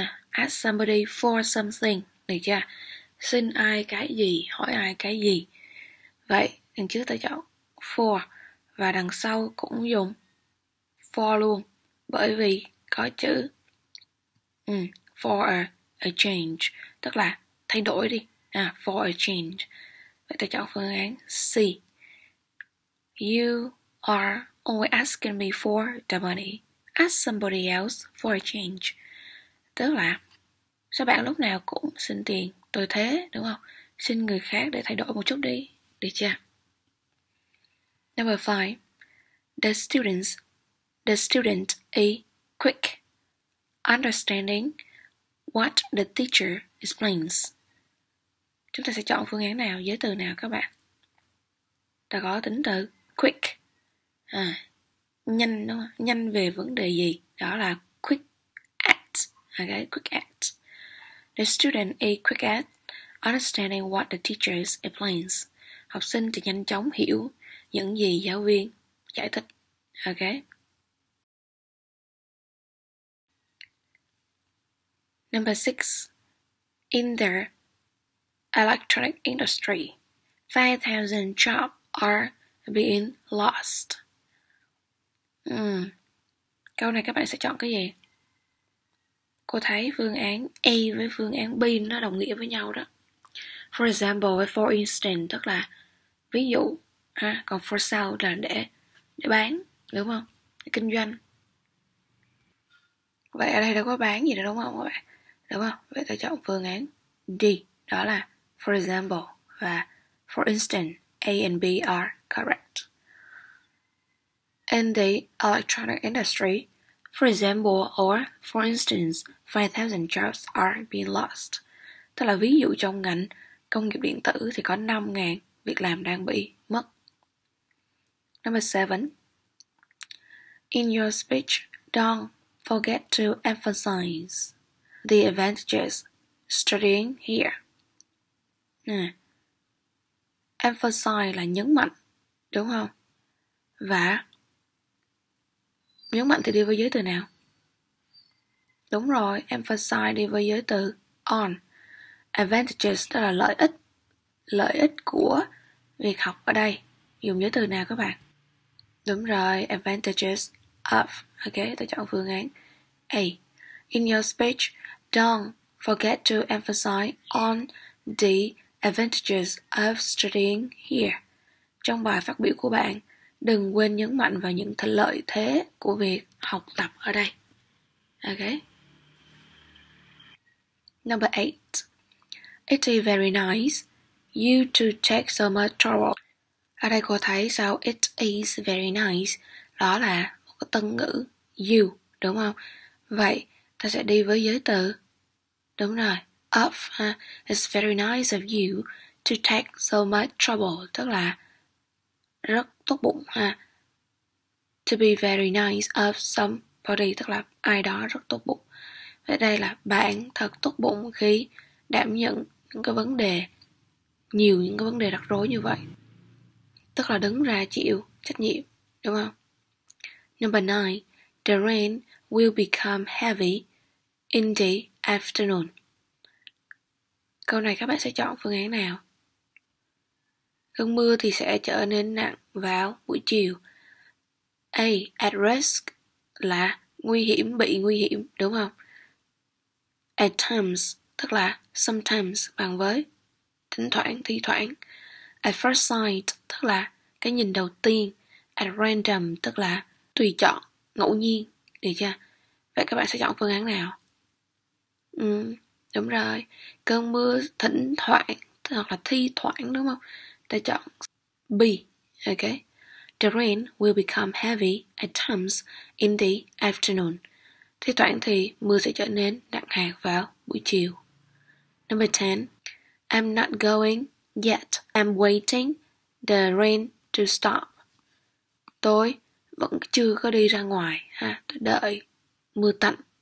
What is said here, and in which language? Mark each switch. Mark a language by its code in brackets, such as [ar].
[en] Ask somebody for something. [vi] Được chưa? Xin ai cái gì, hỏi ai cái gì. Vậy, đằng trước ta chọn for. Và đằng sau cũng dùng for luôn. Bởi vì có chữ for a change, tức là thay đổi đi. [en] For a change. [vi] Vậy ta chọn phương án C. [en] You are always asking me for the money. Ask somebody else for a change. [vi] Tức là Sao bạn lúc nào cũng xin tiền tôi thế, đúng không? Xin người khác để thay đổi một chút đi. Được chưa? [en] Number 5. The student is quick understanding what the teacher explains. [vi] Chúng ta sẽ chọn phương án nào, giới từ nào các bạn? Ta có tính từ quick. À, nhanh đúng không? Nhanh về vấn đề gì? Đó là quick at. Okay, quick at. [en] The student is quick at understanding what the teacher explains. [vi] Học sinh thì nhanh chóng hiểu những gì giáo viên giải thích. [en] Okay. Number 6. In the electronic industry, 5,000 jobs are being lost. [vi] Câu này các bạn sẽ chọn cái gì? Cô thấy phương án A với phương án B nó đồng nghĩa với nhau đó. For example, for instance, tức là ví dụ, ha? Còn for sale là để bán, đúng không? Để kinh doanh. Vậy ở đây đâu có bán gì đâu, đúng không các bạn? Đúng không? Vậy tôi chọn phương án D, đó là for example và for instance, [en] A and B are correct. In the electronic industry, for example or for instance, 5,000 jobs are being lost. [vi] Tức là ví dụ trong ngành công nghiệp điện tử thì có 5,000 việc làm đang bị mất. [en] Number 7. In your speech, don't forget to emphasize the advantages studying here. [vi] Emphasize là nhấn mạnh, đúng không? Và nhấn mạnh thì đi với giới từ nào? Đúng rồi, emphasize đi với giới từ on. Advantages tức là lợi ích. Lợi ích của việc học ở đây. Dùng giới từ nào các bạn? Đúng rồi, advantages of. Ok, tôi chọn phương án A. [en] In your speech, don't forget to emphasize on the advantages of studying here. [vi] Trong bài phát biểu của bạn, đừng quên nhấn mạnh vào những lợi thế của việc học tập ở đây. [en] Ok. Number 8. It is very nice you to take so much trouble. [vi] Ở đây cô thấy sao it is very nice. Đó là một cái tân ngữ you, đúng không? Vậy ta sẽ đi với giới từ. Đúng rồi. [en] Of, it's very nice of you to take so much trouble. [vi] Tức là rất tốt bụng ha. [en] To be very nice of somebody. [vi] Tức là ai đó rất tốt bụng. Vậy đây là bạn thật tốt bụng khi đảm nhận những cái vấn đề, nhiều những cái vấn đề rắc rối như vậy. Tức là đứng ra chịu trách nhiệm, đúng không? [en] Number 9. The rain will become heavy in the afternoon. [vi] Câu này các bạn sẽ chọn phương án nào? Cơn mưa thì sẽ trở nên nặng vào buổi chiều. A. At risk là nguy hiểm, bị nguy hiểm, đúng không? At times, tức là sometimes, bằng với thỉnh thoảng, thi thoảng. At first sight, tức là cái nhìn đầu tiên. At random, tức là tùy chọn, ngẫu nhiên, được chưa? Vậy các bạn sẽ chọn phương án nào? Đúng rồi, cơn mưa thỉnh thoảng, hoặc là thi thoảng, đúng không? Ta chọn B, ok? [en] The rain will become heavy at times in the afternoon. [vi] Thi thoảng thì mưa sẽ trở nên nặng hạt vào buổi chiều. [en] Number 10. I'm not going yet. I'm waiting the rain to stop. [vi] Tôi vẫn chưa có đi ra ngoài, ha? Tôi đợi mưa tạnh.